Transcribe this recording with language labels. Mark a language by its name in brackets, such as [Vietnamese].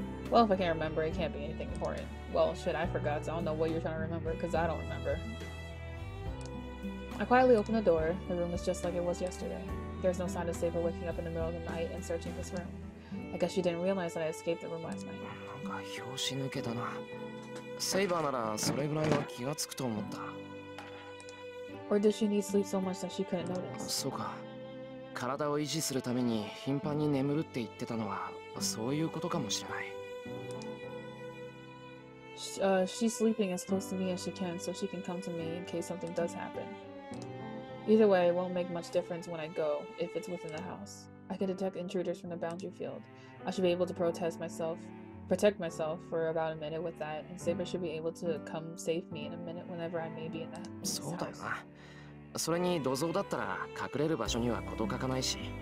[English] Well, if I can't remember, it can't be anything important. Well, shit, I forgot, so I don't know what you're trying to remember, because I don't remember. I quietly opened the door. The room was just like it was yesterday. There's no sign of Sable waking up in the middle of the night and searching this room. I guess she didn't realize that I escaped the room last night. [Japanese] なんか拍子抜けだな。 Sable ならそれぐらいは気がつくと思った。 [English] Or did she need sleep so much that she couldn't notice? [Japanese] そうか。体を維持するために頻繁に眠るって言ってたのはそういうことかもしれない。 [English] She's sleeping as close to me as she can so she can come to me in case something does happen. Either way, it won't make much difference when I go, if it's within the house. I can detect intruders from the boundary field. I should be able to protect myself for about a minute with that, and Sable should be able to come save me in a minute whenever I may be in that house. [Japanese] そうだよな。それに土蔵だったら隠れる場所にはことかかないし。